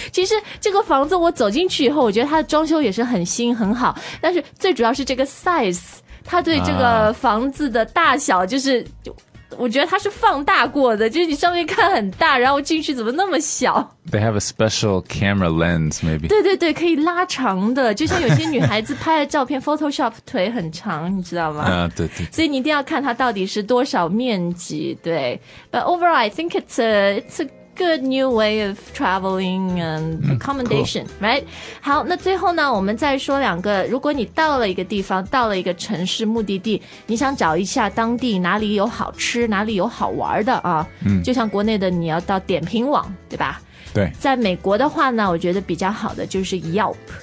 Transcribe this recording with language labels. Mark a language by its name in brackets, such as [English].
[Chinese] 其实这个房子我走进去以后，我觉得它的装修也是很新很好，但是最主要是这个 size,他对这个房子的大小就是、我觉得他是放大过的，就是你上面看很大，然后进去怎么那么小。 [English] They have a special camera lens maybe. [Chinese] 对对对，可以拉长的，就像有些女孩子拍的照片Photoshop 腿很长，你知道吗？对对，所以你一定要看它到底是多少面积。 [English] 对， But overall I think it's a good new way of traveling and accommodation、 cool. right? [Chinese] 好，那最后呢我们再说两个，如果你到了一个地方，到了一个城市目的地，你想找一下当地哪里有好吃哪里有好玩的啊、就像国内的你要到点评网，对吧？对，在美国的话呢，我觉得比较好的就是 Yelp、